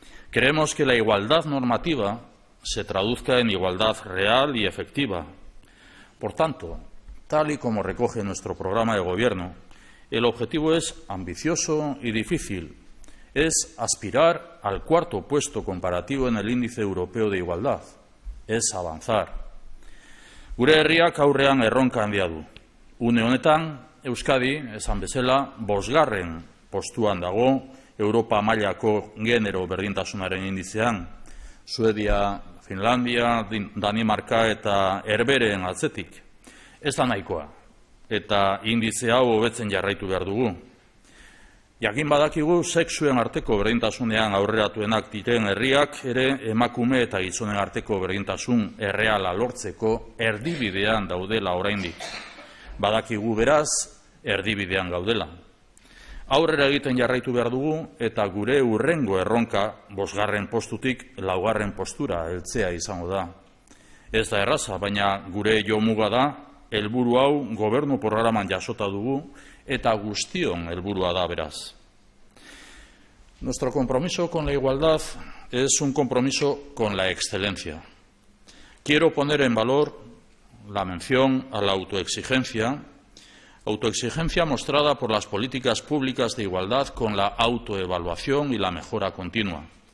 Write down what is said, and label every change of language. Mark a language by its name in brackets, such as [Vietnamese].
[Spanish] Queremos que la igualdad normativa se traduzca en igualdad real y efectiva. Por tanto, tal y como recoge nuestro programa de gobierno, el objetivo es ambicioso y difícil. Es aspirar al cuarto puesto comparativo en el índice europeo de igualdad. Es avanzar. [Basque] Gure herriak aurrean erronka handia du. Une honetan, Euskadi, esan bezala, bosgarren postuan dago Europa mailako genero berdintasunaren indizean, Suedia, Finlandia, Danimarka eta Herbereen atzetik. Ez da nahikoa, eta indize hau hobetzen jarraitu behar dugu. Jakin badakigu, sexuen arteko berdintasunean aurreratuenak diren herriak ere emakume eta gizonen arteko berdintasun erreala lortzeko erdibidean daudela oraindik. Badakigu beraz, erdibidean gaudela. Aurrera egiten jarraitu behar dugu eta gure urrengo erronka bosgarren postutik laugarren postura heltzea izango da. Ez da erraza, baina gure jomuga da, helburu hau gobernu programan jasota dugu eta guztion helburua da beraz. [Spanish] Nuestro compromiso con la igualdad es un compromiso con la excelencia. Quiero poner en valor la mención a la autoexigencia. Autoexigencia mostrada por las políticas públicas de igualdad con la autoevaluación y la mejora continua.